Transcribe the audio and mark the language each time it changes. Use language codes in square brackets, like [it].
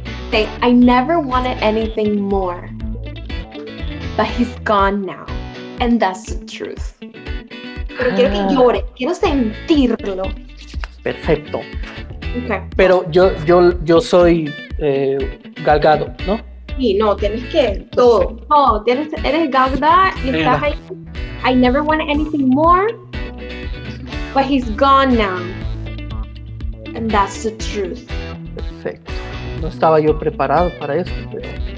[en] Say, I never wanted anything more. But he's gone now. And that's the truth. [es] Pero quiero que llore, quiero sentirlo. Perfecto. [en] Okay. [es] Pero yo soy Gal Gadot, ¿no? Sí, no, tienes que todo. No, eres Gal Gadot y estás ahí. [en] I never wanted anything more, but he's gone now. And that's the truth. [es] Perfecto. No estaba yo preparado para eso, pero.